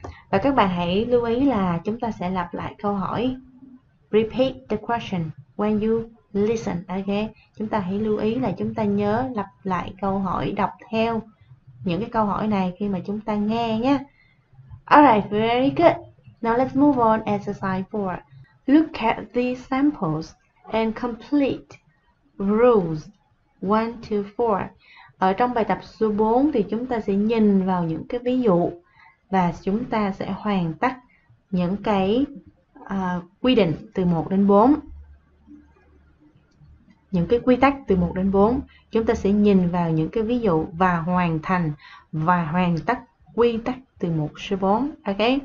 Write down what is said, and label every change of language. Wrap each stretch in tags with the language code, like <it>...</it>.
<vi>Và các bạn hãy lưu ý là chúng ta sẽ lặp lại câu hỏi.</vi> <en>Repeat the question when you listen. Okay.</en> <vi>Chúng ta hãy lưu ý là chúng ta nhớ lặp lại câu hỏi, đọc theo những cái câu hỏi này khi mà chúng ta nghe nhé.</vi> <en>Alright, very good. Now let's move on exercise 4. Look at these samples and complete rules 1 to 4.</en> <vi>Ở trong bài tập số 4 thì chúng ta sẽ nhìn vào những cái ví dụ và chúng ta sẽ hoàn tất những cái quy định từ 1 đến 4. Những cái quy tắc từ 1 đến 4, chúng ta sẽ nhìn vào những cái ví dụ và hoàn thành và hoàn tất quy tắc từ 1 số 4. Ok.</vi>